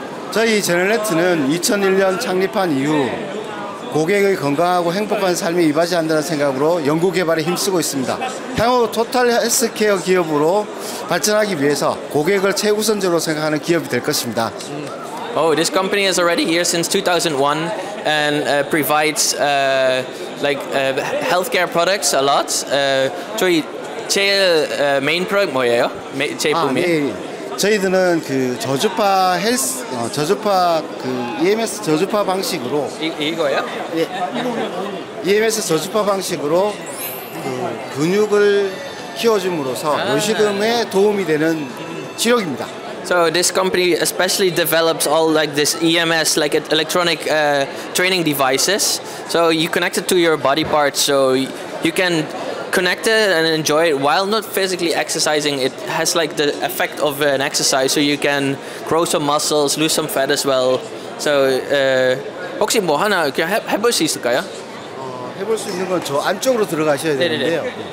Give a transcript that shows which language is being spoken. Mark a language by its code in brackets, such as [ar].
[ko] 저희 제너럴네트는 2001년 창립한 이후 고객의 건강하고 행복한 삶이 이바지한다는 생각으로 연구 개발에 힘쓰고 있습니다. 향후 토탈 헬스케어 기업으로 발전하기 위해서 고객을 최우선적으로 생각하는 기업이 될 것입니다. [en] Oh, this company is already here since 2001 and provides healthcare products a lot. [ko] 저희 제일 메인 프로덕트 뭐예요? 제품이. 저희들은 그 저주파 헬스 저주파 그 EMS 저주파 방식으로 이거예요? 예. EMS 저주파 방식으로 그 근육을 키워줌으로써 요실금에 도움이 되는 치료입니다. [en] So this company especially develops all like this EMS like electronic training devices. So you connect it to your body parts so you can connect it and enjoy it while not physically exercising. It has like the effect of an exercise, so you can grow some muscles, lose some fat as well. [ko] So, 혹시 뭐 하나 해볼 수 있을까요? 해볼 수 있는 건 저 안쪽으로 들어가셔야 되는데요.